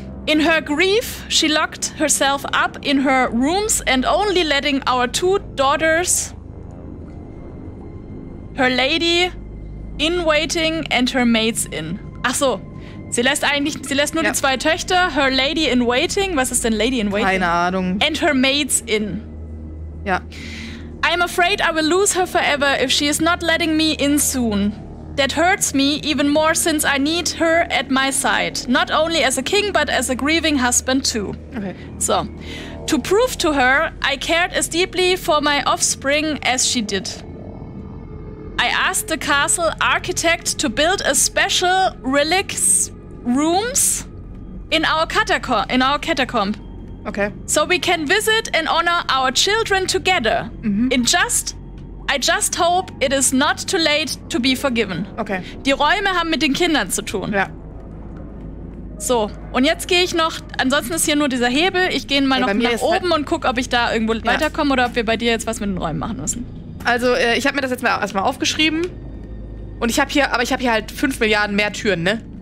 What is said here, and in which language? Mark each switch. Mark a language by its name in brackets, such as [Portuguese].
[English] In her grief, she locked herself up in her rooms and only letting our 2 daughters, her lady in waiting and her maids in. [German] Ach so, sie lässt nur die 2 Töchter, [English] her lady in waiting. [German] Was ist denn [English] lady in waiting? [German] Keine Ahnung. [English] And her maids in. [German] Ja. [English] I'm afraid I will lose her forever if she is not letting me in soon. That hurts me even more since I need her at my side. Not only as a king, but as a grieving husband too. Okay. So, to prove to her I cared as deeply for my offspring as she did. I asked the castle architect to build a special relics rooms in our catacomb. Okay. So we can visit and honor our children together. Mm-hmm. I just hope it is not too late to be forgiven. Okay. [German] Die Räume haben mit den Kindern zu tun. Ja. So, und jetzt gehe ich noch, ansonsten ist hier nur dieser Hebel, ich gehe mal noch nach oben und gucke, ob ich da irgendwo weiterkomme oder ob wir bei dir jetzt was mit den Räumen machen müssen. Also, ich habe mir das jetzt erstmal aufgeschrieben und ich habe hier halt 5 Milliarden mehr Türen, ne?